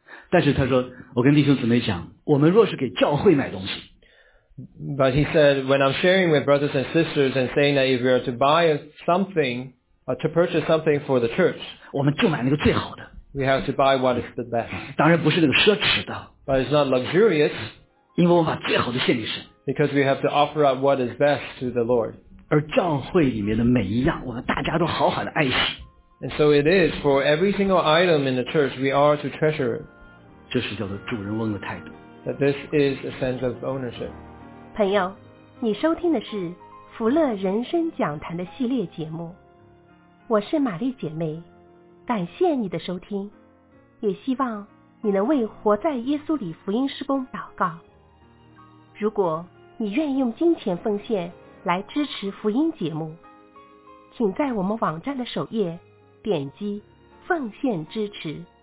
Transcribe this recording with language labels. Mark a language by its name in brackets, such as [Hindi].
[Chinese] 但是他说，我跟弟兄姊妹讲，我们若是给教会买东西 [English] ，But he said when I'm sharing with brothers and sisters and saying that if we are to buy something, to purchase something for the church, [Chinese] 我们就买那个最好的。 [English] We have to buy what is the best. [Chinese] 当然不是那个奢侈的 [English] ，But it's not luxurious. [Chinese] 因为我把最好的献给神。 [English] Because we have to offer up what is best to the Lord. [Chinese] 而教会里面的每一样，我们大家都好好的爱惜。 [English] And so it is for every single item in the church, we are to treasure it. [Chinese] 这是叫做主人翁的态度。 [English] That this is a sense of ownership. [Chinese] 朋友，你收听的是福乐人生讲坛的系列节目。我是玛丽姐妹，感谢你的收听，也希望你能为活在耶稣里福音事工祷告。如果你愿意用金钱奉献来支持福音节目，请在我们网站的首页点击奉献支持。